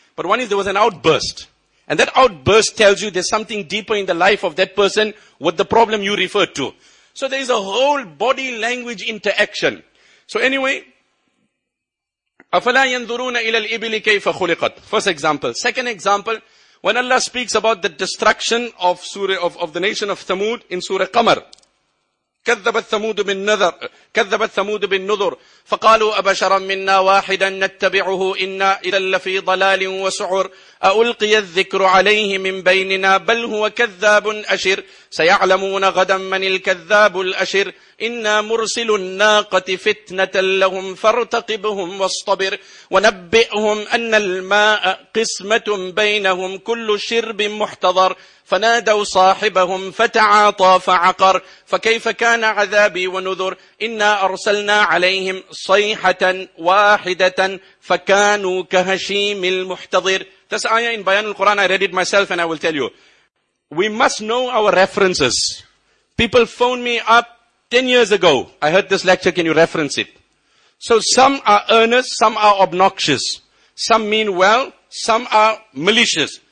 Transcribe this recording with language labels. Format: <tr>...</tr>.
<en>But one is there was an outburst. And that outburst tells you there's something deeper in the life of that person with the problem you referred to. So there is a whole body language interaction. So anyway,</en> <ar>أَفَلَا يَنْظُرُونَ إِلَى الْإِبِلِ كَيْفَ خُلِقَتْ.</ar> <en>First example. Second example, When Allah speaks about the destruction of the nation of Thamud in Surah Qamar,</en> <ar>كَذَّبَتْ ثَمُودُ بِالنَّذَرْ كَذَّبَتْ ثَمُودُ بِالنُّذُرْ فَقَالُوا أَبَشَرًا مِنَّا وَاحِدًا نَتَّبِعُهُ إِنَّا إِذًا لَفِي ضَلَالٍ وَسُعُرٍ أَأُلْقِيَ الذِّكْرُ عَلَيْهِ مِنْ بَيْنِنَا بَلْ هُوَ كَذَّابٌ أَشِرٌ سَيَعْلَمُونَ غَدًا مَنِ الْكَذَّابُ الْأَشِرُ إِنَّا مُرْسِلُ النَّاقَةِ فِتْنَةً لَهُمْ فَارْتَقِبْهُمْ وَاصْطَبِرْ وَنَبِّئْهُمْ أَنَّ الْمَاءَ قِسْمَةٌ بَيْنَهُمْ كُلُّ شِرْبٍ مُحْتَضَرٍ فنادوا صاحبهم فتعاطى فعقر فكيف كان عذابي ونذر إنا أرسلنا عليهم صيحة واحدة فكانوا كهشيم المحتضر.</ar> <en>This ayah in Bayan al-Quran, I read it myself and I will tell you. We must know our references. People phoned me up 10 years ago. I heard this lecture, can you reference it? So some are earnest, some are obnoxious. Some mean well, some are malicious.</en>